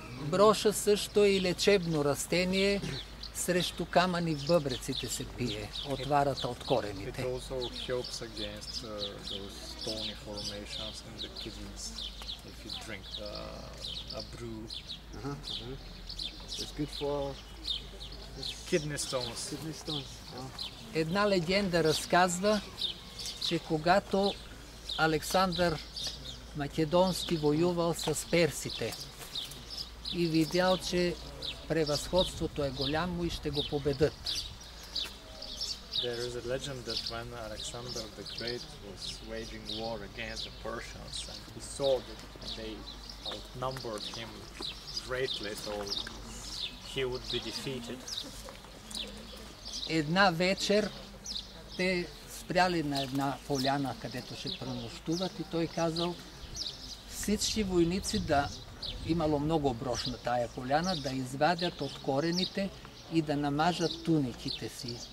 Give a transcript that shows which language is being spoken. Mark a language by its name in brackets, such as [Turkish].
[Bulgarian] Броша също и лечебно растение срещу камъни в бъбреците се пие, отварата от корените. [English] It also helps against those stony formations in the kidneys if you drink a brew. It's good for kidney stones. Kidney stones. [Bulgarian] Една легенда разказва, че когато Александър Македонски воювал с персите и видял, че превъзходството е голямо и ще го победят. [English] There is a legend that when Alexander the Great was waging war against the Persians and he saw that they outnumbered him greatly, so he would be defeated. [Bulgarian] Една вечер те спряли на една поляна, където ще пренощуват, и той казал всички войници да, имало много брош на тая поляна, да извадят от корените и да намажат туниките си.